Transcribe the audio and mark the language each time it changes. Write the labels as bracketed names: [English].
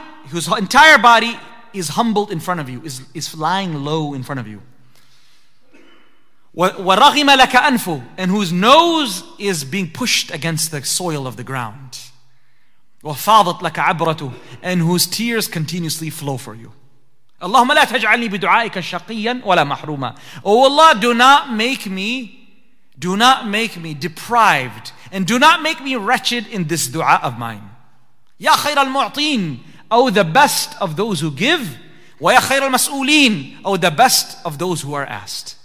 [English] Whose entire body is humbled in front of you, is lying low in front of you. [Arabic] ورغم لك أنفه. [English] And whose nose is being pushed against the soil of the ground. [Arabic] وفاضت لك عبرته. [English] And whose tears continuously flow for you. [Arabic] اللهم لا تجعلني بدعائك شقيا ولا محروما. [English] Oh Allah, do not make me deprived, and do not make me wretched in this dua of mine. [Arabic] يا خير المعطين, [English] oh the best of those who give. [Arabic] ويا خير المسؤولين, [English] oh the best of those who are asked.